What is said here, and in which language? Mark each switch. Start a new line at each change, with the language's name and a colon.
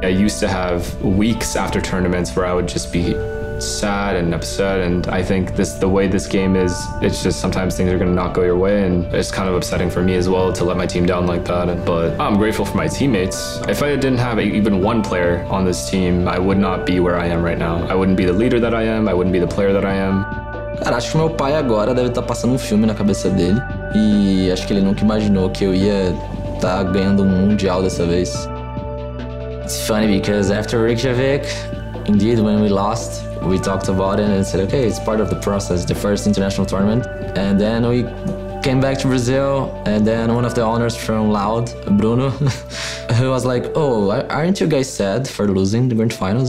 English: I used to have weeks after tournaments where I would just be sad and upset, and I think this, the way this game is, it's just sometimes things are gonna not go your way, and it's kind of upsetting for me as well to let my team down like that. But I'm grateful for my teammates. If I didn't have even one player on this team, I would not be where I am right now. I wouldn't be the leader that I am, I wouldn't be the player that I am.
Portuguese: Cara, acho que meu pai agora deve estar passando um filme na cabeça dele, e acho que ele nunca imaginou que eu ia tá ganhando um mundial dessa vez.
English: It's funny because after Reykjavik, indeed, when we lost, we talked about it and said, okay, it's part of the process, the first international tournament. And then we came back to Brazil, and then one of the owners from Loud, Bruno, who was like, oh, aren't you guys sad for losing the grand finals?